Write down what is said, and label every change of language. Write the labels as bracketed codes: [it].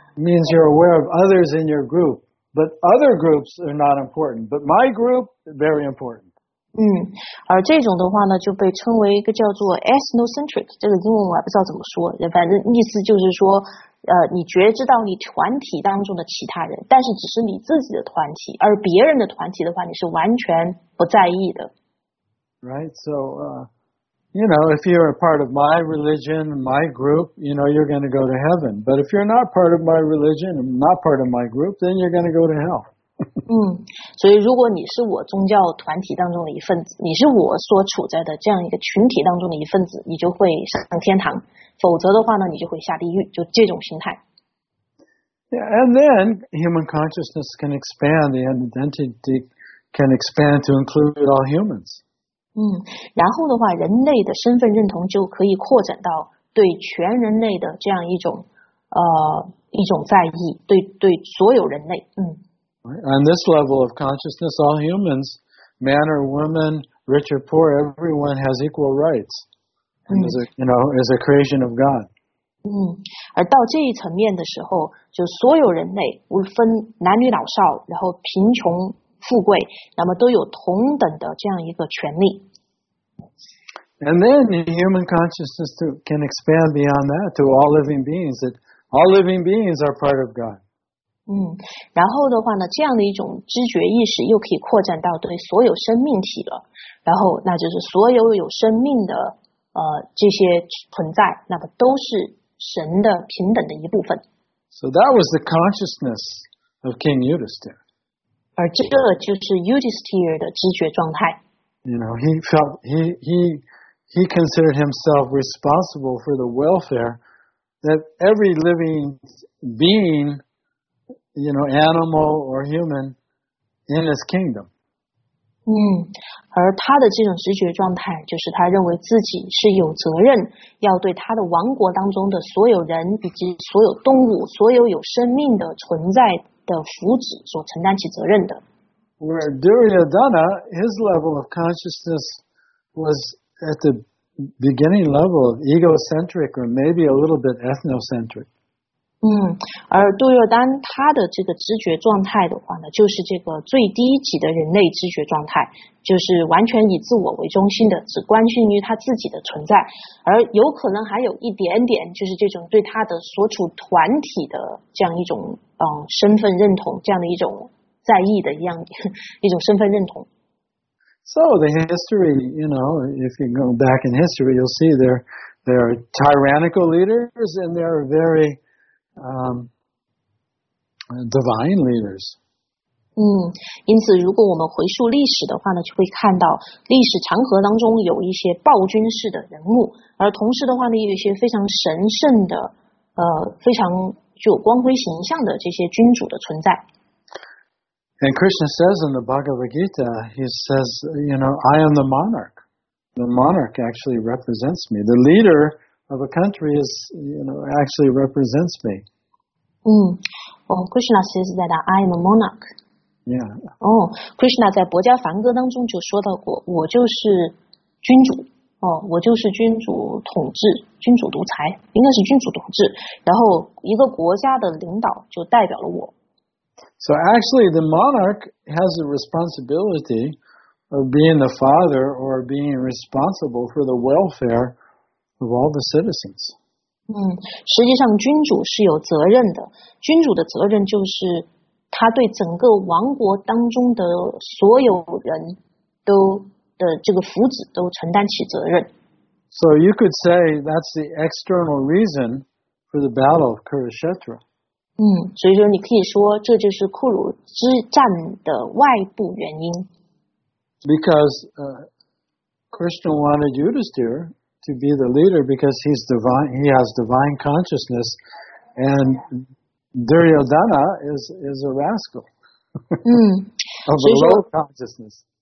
[en] Means you're aware of others in your group, but other groups are not important. But my group, very important. [zh] 而这种的话呢，就被称为一个叫做 ethnocentric， 这个英文我还不知道怎么说，反正意思就是说。你觉知到你团体当中的其他人，但是只是你自己的团体，而别人的团体的话，你是完全不在意的。 [en] Right, so, you know, if you're a part of my religion, my group, you know, you're going to go to heaven. But if you're not part of my religion, not part of my group, then you're going to go to hell. [zh] 所以如果你是我宗教团体当中的一份子，你是我所处在的这样一个群体当中的一份子，你就会上天堂，否则的话呢，你就会下地狱，就这种心态。 [en] Yeah, and then human consciousness can expand, the identity can expand to include all humans. [zh] 然后的话，人类的身份认同就可以扩展到对全人类的这样一种在意，对所有人类。 [en] On this level of consciousness, all humans, man or woman, rich or poor, everyone has equal rights. As a creation of God. [zh] 而到这一层面的时候，就所有人类，无分男女老少，然后贫穷富贵，那么都有同等的这样一个权利。 [en] And then human consciousness can expand beyond that to all living beings, that all living beings are part of God. [zh] 然后的话呢，这样的一种知觉意识又可以扩展到对所有生命体了，然后那就是所有有生命的这些存在，那么都是神的平等的一部分。 [en] So that was the consciousness of King Yudhisthira. [zh] 而这就是 Yudhisthira 的知觉状态。 [en] You know, he felt he considered himself responsible for the welfare that every living beinganimal or human, in his kingdom. [zh] 而他的这种直觉状态就是他认为自己是有责任要对他的王国当中的所有人以及所有动物所有有生命的存在的福祉所承担起责任的。 [en] Where Duryodhana, his level of consciousness was at the beginning level of egocentric or maybe a little bit ethnocentric. [zh] 而杜若丹他的这个知觉状态的话呢，就是这个最低级的人类知觉状态，就是完全以自我为中心的，只关心于他自己的存在，而有可能还有一点点就是这种对他的所处团体的这样一种身份认同，这样的一种在意的一种身份认同。 [en] So the history, you know, if you go back in history, you'll see there are tyrannical leaders and there are very divine leaders. [zh] 因此如果我们回溯历史的话呢，就会看到历史长河当中有一些暴君式的人物，而同时的话呢，也有一些非常神圣的非常具有光辉形象的这些君主的存在。 [en] And Krishna says in the Bhagavad Gita, he says, you know, I am the monarch. The monarch actually represents me. The leader of a country is, you know, actually represents me. Well, Krishna says that I am a monarch. Yeah. [zh] Oh, Krishna 在薄伽梵歌当中就说到过，我就是君主。我就是君主统治，君主独裁，应该是君主统治。然后一个国家的领导就代表了我。 [en] So actually, the monarch has the responsibility of being the father or being responsible for the welfare of all the citizens. [zh] 实际上君主是有责任的。君主的责任就是他对整个王国当中的所有人都的这个福祉都承担起责任。 [en] So you could say that's the external reason for the battle of Kurukshetra. [zh] 所以说你可以说这就是库鲁之战的外部原因。 [en] Because Krishna wanted Yudhisthira to be the leader because he's divine, he has divine consciousness, and Duryodhana is a rascal of a low consciousness.